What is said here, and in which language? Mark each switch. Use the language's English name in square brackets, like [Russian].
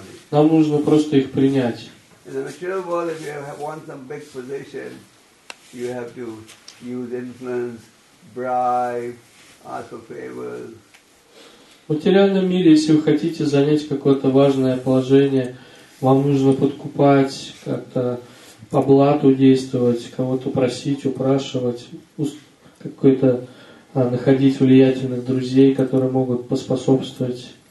[Russian] Нам нужно просто их принять. [English] In the material world, if you have won some big position, you have to use influence, bribe, ask for favors. [Russian] В материальном мире, если вы хотите занять какое-то важное положение, вам нужно подкупать, как-то по блату действовать, кого-то просить, упрашивать, какой-то находить влиятельных друзей, которые могут поспособствовать.